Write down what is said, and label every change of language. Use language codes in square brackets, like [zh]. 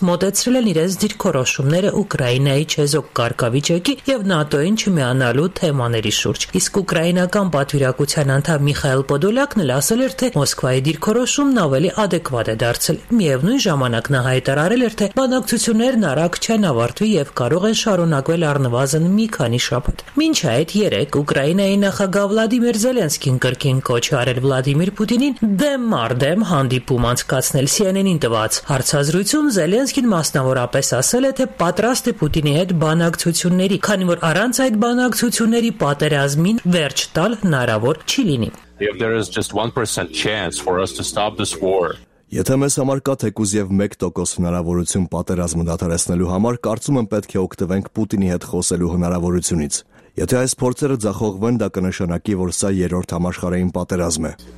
[hy] մոտեցրել են իրենց դիրքորոշումները Ուկրաինայի չեզոք կարգավիճակի և ՆԱՏՕ-ին չմիանալու թեմաների շուրջ։ Իսկ ուկրաինական պատվիրակության անդամ Միխայել Պոդոլյակն էլ ասել էր, թե Մոսկվայի դիրքորոշումն ավելի ադեկվատ է դարձել։ Միևնույն ժամանակ նա հայտարարել էր, թե բանակցություններն արագ չեն ավարտվի և կարող են շարունակվել առնվազն մի քանի շաբաթ։ Մինչ այդ երեկ Ուկրաինայի նախագահ Վլադիմիր Զելենսկին կրկին կոչ արել Վլադիմիր Պուտինին դեմ առ դեմ հանդիպում անցկացնել CNN-ին տված հարցազրույցում Զելենսկին մասնավորապես ասել է, թե պատրաստ է Պուտինի հետ բանակցությունների, քանի որ առանց այդ բանակցությունների պատերազմին վերջ տալ հնարավոր չի լինի։ [en] If there is just 1% chance for us to stop this war, [hy] Եթե մեզ համար կա թեկուզ և 1% հնարավորություն պատերազմը դադարեցնելու համար, կարծում եմ պետք է օգտվենք Պուտինի հետ խոսելու հնարավորությունից։ Եթե այս փորձերը ձախողվեն, դա կնշանակի, որ սա երրորդ համաշխարհային պատերազմ է։